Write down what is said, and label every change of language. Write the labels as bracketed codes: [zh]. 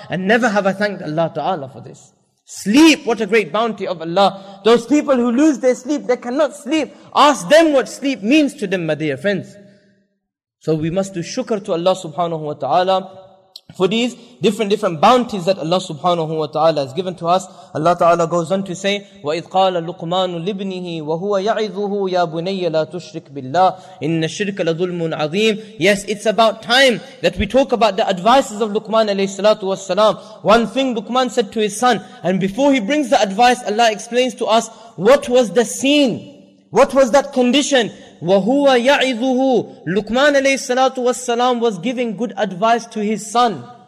[en] And never have I thanked Allah Ta'ala for this. Sleep, what a great bounty of Allah. Those people who lose their sleep, they cannot sleep. Ask them what sleep means to them, my dear friends. So we must do shukr to Allah subhanahu wa ta'ala for these different bounties that Allah subhanahu wa ta'ala has given to us. Allah ta'ala goes on to say, [ar] وَإِذْ قَالَ لُقْمَانُ لِبْنِهِ وَهُوَ يَعِذُهُ يَا بُنَيَّ لَا تُشْرِكْ بِاللَّهِ إِنَّ الشِّرْكَ لَظُلْمٌ عَظِيمٌ. [en] Yes, it's about time that we talk about the advices of Luqman alayhi salatu wassalam. One thing Luqman said to his son, and before he brings the advice, Allah explains to us, what was the scene? What was that condition? [ar] وَهُوَ يَعِذُهُ. [en] Luqman alayhi salatu wassalam was giving good advice to his son.